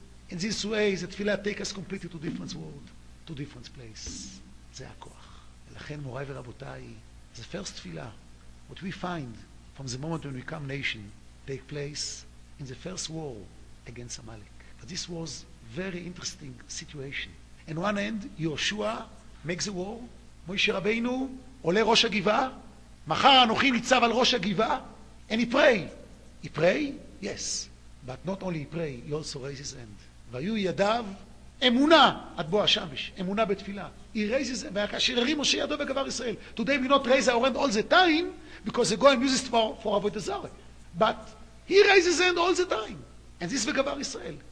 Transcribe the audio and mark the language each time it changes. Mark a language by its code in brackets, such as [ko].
[en] In this way, the tefillah take us completely to different world, to different place. [he] זה הכוח. ולכן מוריי ורבותיי, [en] the first תפילה, what we find from the moment when we come nation, take place in the first war against Amalek. But this was very interesting situation. On one end, Yehoshua makes a war, [he] מוישה רבינו עולה ראש הגבעה, [en] מחר אנוכי ניצב על ראש הגבעה, and he pray. He pray? Yes. But not only he pray, he also raises his hand. [he] והיו ידיו אמונה עד בוא השמש, אמונה בתפילה. [en] he raises [he] ve'akasher harim Moshe yado ve'gavar Yisrael. [en] Today we not raise our hand all the time because the goyim uses for avodah zarah. But he raises hand all the time, and this [he] ve'gavar Yisrael.